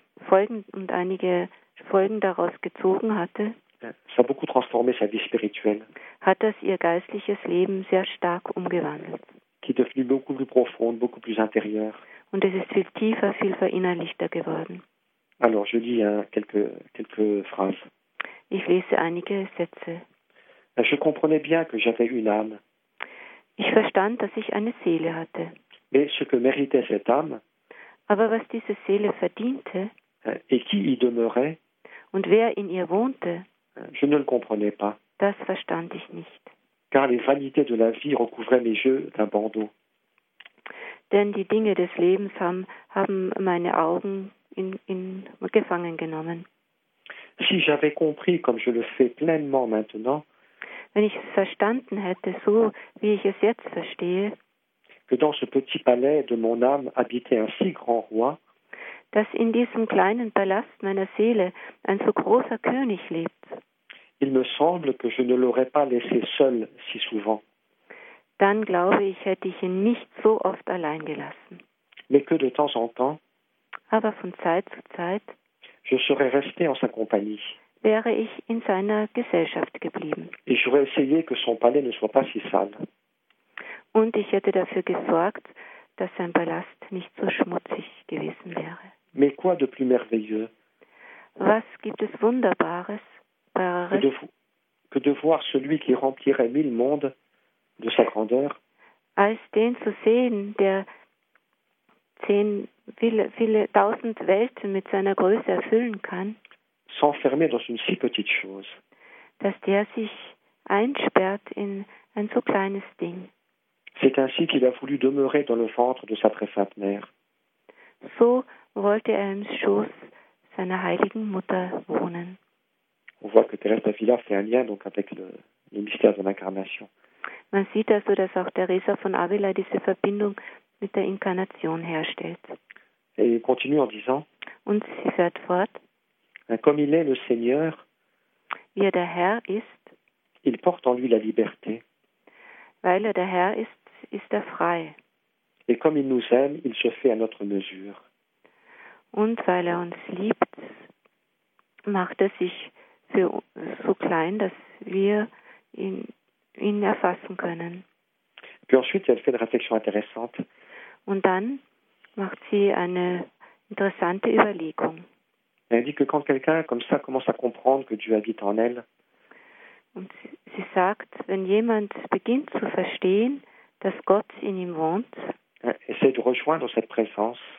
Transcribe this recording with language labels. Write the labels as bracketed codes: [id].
[de] und einige Folgen daraus gezogen hatte, [fr] ça a beaucoup transformé sa vie spirituelle. [de] Hat das ihr geistliches Leben sehr stark umgewandelt. [fr] Qui est devenu beaucoup plus profond, beaucoup plus intérieur. [de] Und es ist viel tiefer, viel verinnerlichter geworden. [fr] Alors, je lis quelques phrases. [de] Ich lese einige Sätze. [fr] Je comprenais bien que j'avais une âme. [de] Ich verstand, dass ich eine Seele hatte. [fr] Mais ce que méritait cette âme, [de] aber was diese Seele verdiente, [fr] et qui y demeurait, [de] und wer in ihr wohnte, [fr] je ne le comprenais pas. [de] Das verstand ich nicht. [fr] Car les vanités de la vie recouvraient mes yeux d'un bandeau. [de] Denn die Dinge des Lebens haben meine Augen in gefangen genommen. [fr] Si j'avais compris comme je le fais pleinement maintenant, [de] wenn ich es verstanden hätte, so wie ich es jetzt verstehe, [fr] que dans ce petit palais de mon âme habitait un si grand roi, [de] dass in diesem kleinen Palast meiner Seele ein so großer König lebt, [fr] il me semble que je ne l'aurais pas laissé seul si souvent. [de] Dann glaube ich, hätte ich ihn nicht so oft allein gelassen. [fr] Mais que de temps en temps, [de] aber von Zeit zu Zeit, [fr] je serais resté en sa compagnie. [de] Wäre ich in seiner Gesellschaft geblieben. [fr] Et j'aurais essayé que son palais ne soit pas si sale. [de] Und ich hätte dafür gesorgt, dass sein Palast nicht so schmutzig gewesen wäre. [fr] Mais quoi de plus merveilleux? [de] Was gibt es Wunderbares, [fr] que de voir celui qui remplirait mille mondes de sa grandeur? [de] Als den zu sehen, der viele tausend Welten mit seiner Größe erfüllen kann. [fr] S'enfermer dans une si petite chose. [de] Dass der sich einsperrt in ein so kleines Ding. [fr] C'est ainsi qu'il a voulu demeurer dans le ventre de sa très sainte mère. [de] So wollte er im Schoß seiner heiligen Mutter wohnen. [fr] on voit que Teresa d'Avila fait un lien donc avec le mystère de l'incarnation. [de] Man sieht also, dass auch Teresa von Avila diese Verbindung mit der Inkarnation herstellt. [fr] Et il continue en disant. [de] Und sie fährt fort. [fr] Comme il est le Seigneur. [de] Wie er der Herr ist. [fr] Il porte en lui la liberté. [de] Weil er der Herr ist, ist er frei. [fr] Et comme il nous aime, il se fait à notre mesure. [de] Und weil er uns liebt, macht er sich für so klein, dass wir ihn erfassen können. [fr] Puis ensuite, elle fait une réflexion intéressante. [de] Und dann macht sie eine interessante Überlegung. [fr] Elle dit que quand quelqu'un comme ça commence à comprendre que Dieu habite en elle. [de] Und sie sagt, wenn jemand beginnt zu verstehen, dass Gott in ihm wohnt, [fr] essaie de rejoindre cette présence.